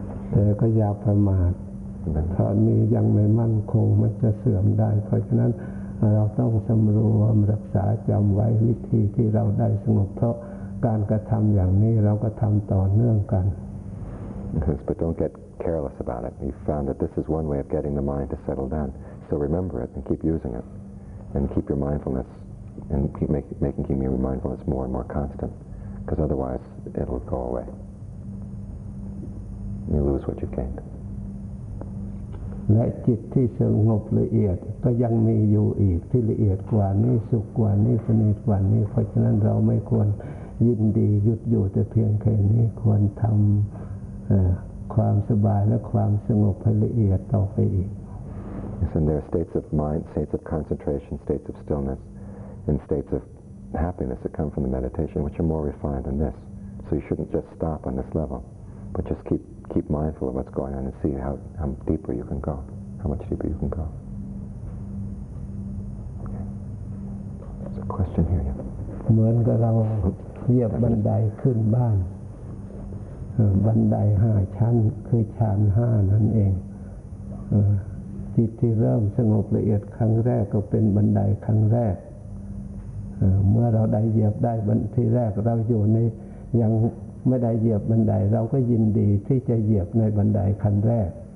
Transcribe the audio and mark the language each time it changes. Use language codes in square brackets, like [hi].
[th] แต่ก็อย่าประมาทถ้ามียังไม่มั่นคงมันจะเสื่อมได้เพราะฉะนั้นเราต้องสำรวมรักษาจำไว้วิธีที่เราได้สงบเพราะการกระทำอย่างนี้เราก็ทำต่อเนื่องกัน [en] But don't get careless about it. You found that this is one way of getting the mind to settle down. So remember it and keep using it, and keep your mindfulness and keep making your mindfulness more and more constant. Because otherwise it'll go away. You lose what you gained. [th] และจิตที่สงบละเอียดก็ยังมีอยู่อีกที่ละเอียดกว่านี้สุขกว่านี้สนิทกว่านี้เพราะฉะนั้นเราไม่ควรยินดีหยุดอยู่แต่เพียงแค่นี้ควรทำความสบายและความสงบให้ละเอียดต่อไปอีก [en] Yes, and there are states of mind, states of concentration, states of stillness, and states of happiness that come from the meditation, which are more refined than this. So you shouldn't just stop on this level, but just keep mindful of what's going on and see how deeper you can go, how much deeper you can go. Okay. There's a question here, yeah. [th] เหมือนกับเราเหยียบบันไดขึ้นบ้านบันได5ชั้นคือชั้น5นั่นเองจิตที่เริ่มสงบละเอียดครั้งแรกก็เป็นบันไดครั้งแรกเมื่อเราได้เหยียบได้บันไดแรกเราอยู่ในยังไม่ได้เหยียบบันไดเราก็ยินดีที่จะเหยียบในบันไดขั้นแรก